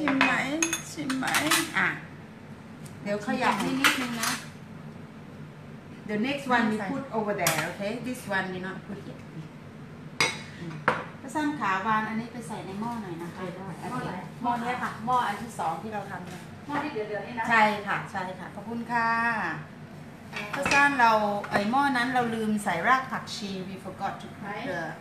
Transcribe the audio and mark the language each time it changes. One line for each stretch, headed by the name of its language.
Thai: ชิมไหมอ่ะเดี๋ยวขยับให้นิดนึงนะ
English: The next one we put over there, okay? This one we not put yet.
Thai: ประสานขาวานอันนี้ไปใส่ในหม้อหน่อยนะคะ หม้ออ ะไร หม้อนี้ ค่ะหม้ออันที่สองที่เราทำ หม้อที่เดือดๆนี่นะ ใช่ค่ะใช่ค่ะขอบคุณค่ะประสานเราไอหม้อนั้นเราลืมใส่รากผักชี
English: we forgot to put the